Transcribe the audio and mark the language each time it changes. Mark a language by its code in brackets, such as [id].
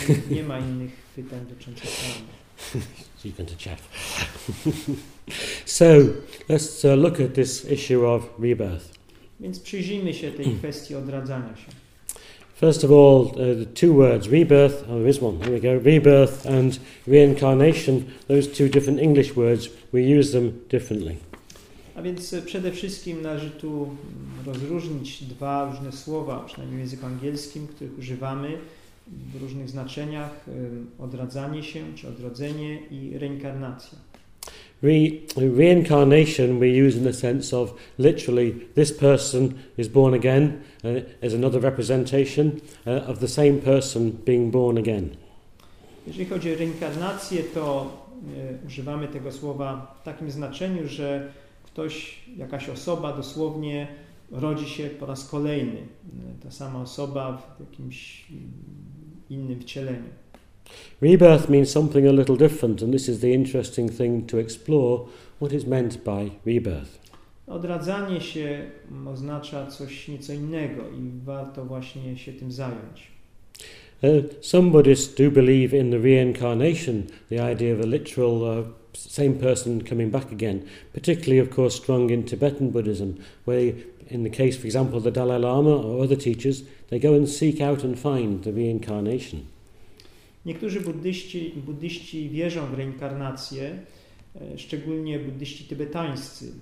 [pl] Nie ma innych pytań dotyczących karmy. [en] So you can chat. So, let's look at this issue of rebirth. [pl] Więc przyjrzyjmy się tej kwestii odradzania się. [en] First of all, the 2 words, rebirth, oh, there is one, here we go, rebirth and reincarnation, those 2 different English words, we use them differently. [pl] A więc przede wszystkim należy tu rozróżnić 2 różne słowa, przynajmniej w języku angielskim, których używamy w różnych znaczeniach, odradzanie się czy odrodzenie i reinkarnacja. [en] Reincarnation we use in the sense of literally this person is born again is another representation of the same person being born again. [pl] Jeżeli chodzi o reinkarnację, to używamy tego słowa w takim znaczeniu, że ktoś, jakaś osoba dosłownie rodzi się po raz kolejny. Ta sama osoba w jakimś innym wcieleniu. [en] Rebirth means something a little different, and this is the interesting thing to explore, what is meant by rebirth. [pl] Odradzanie się oznacza coś nieco innego i warto właśnie się tym zająć. [en] Some Buddhists do believe in the reincarnation, the idea of a literal same person coming back again, particularly of course strong in Tibetan Buddhism, where in the case for example the Dalai Lama or other teachers, they go and seek out and find the reincarnation. [pl] Niektórzy buddyści wierzą w reinkarnację, szczególnie buddyści tybetańscy.